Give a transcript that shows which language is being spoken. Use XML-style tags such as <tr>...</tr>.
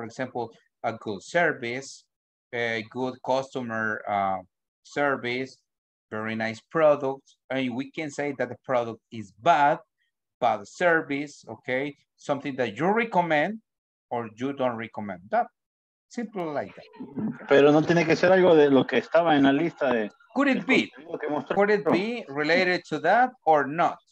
<en>For example, a good service, a good customer service, very nice product. And we can say that the product is bad service, okay? Something that you recommend or you don't recommend. That simple like that.</en> <es>Pero no tiene que ser algo de lo que estaba en la lista de.</es> <en>Could it be? Could it be related to that or not?</en>